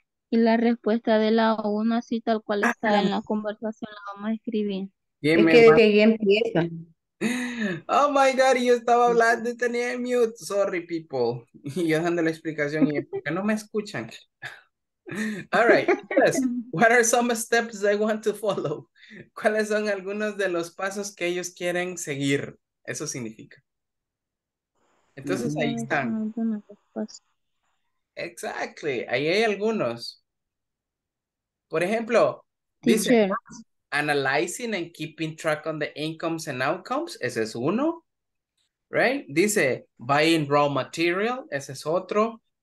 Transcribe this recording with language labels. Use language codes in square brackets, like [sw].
[es] Y la respuesta de la uno así tal cual está en la conversación la vamos a escribir. Bien, es que de que ya empieza. [en] Oh my God, [es] yo estaba hablando y tenía mute. [en] Sorry, people. [es] Y yo dando la explicación y porque no me escuchan. [en] All right. Yes. What are some steps they want to follow? [es] ¿Cuáles son algunos de los pasos que ellos quieren seguir? Eso significa. Entonces ahí están. Exactly, ahí hay algunos. Por ejemplo, dice [en] analyzing and keeping track on the incomes and outcomes, [es] ese es uno, right? Dice [en] buying raw material, [es] ese es otro.